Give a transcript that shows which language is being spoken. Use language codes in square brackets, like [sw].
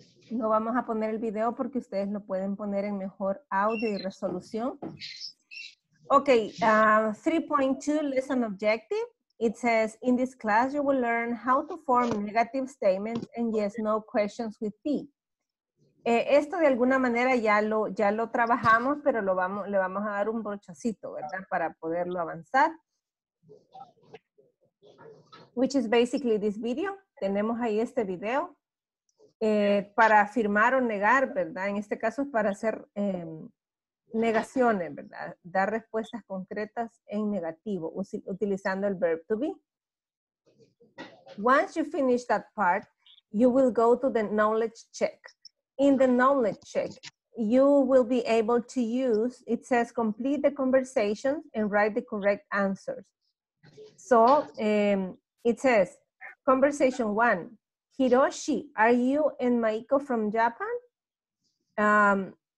[es] No vamos a poner el video porque ustedes lo pueden poner en mejor audio y resolución. [en] Okay, 3.2 lesson objective. It says, in this class, you will learn how to form negative statements and yes-no questions with be. [es] Esto de alguna manera ya lo trabajamos, pero le vamos a dar un brochacito, ¿verdad? Para poderlo avanzar. [en] Which is basically this video. [es] Tenemos ahí este video. Para afirmar o negar, ¿verdad? En este caso es para hacer negaciones, ¿verdad? Dar respuestas concretas en negativo, utilizando el verb to be. [en] Once you finish that part, you will go to the knowledge check. In the knowledge check, you will be able to use, it says complete the conversation and write the correct answers. So it says, conversation one, Hiroshi, are you and Maiko from Japan?